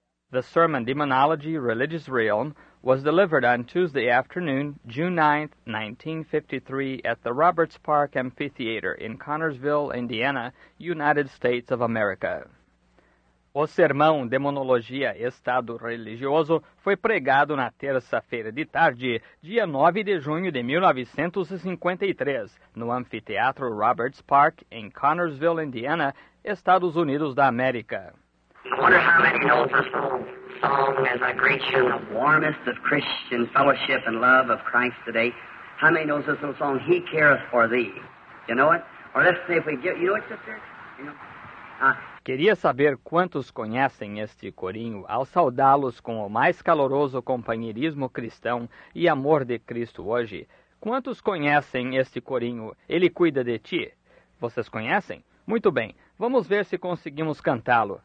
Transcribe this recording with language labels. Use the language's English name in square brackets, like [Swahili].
[English] The sermon, Demonology, Religious Realm, was delivered on Tuesday afternoon, June 9, 1953, at the Roberts Park Amphitheater in Connersville, Indiana, United States of America. [Portuguese] O sermão Demonologia, Estado Religioso, foi pregado na terça-feira de tarde, dia 9 de junho de 1953, no Anfiteatro Roberts Park, em Connersville, Indiana, Estados Unidos da América. [English] I wonder how many know this little song as a great tune, the warmest of Christian fellowship and love of Christ today. How many knows this little song, He Careth For Thee? You know it? Or let's say if we give, you know it, sister? You know? [Portuguese] Queria saber quantos conhecem este corinho ao saudá-los com o mais caloroso companheirismo cristão e amor de Cristo hoje. Quantos conhecem este corinho? Ele cuida de ti. Vocês conhecem? Muito bem, vamos ver se conseguimos cantá-lo.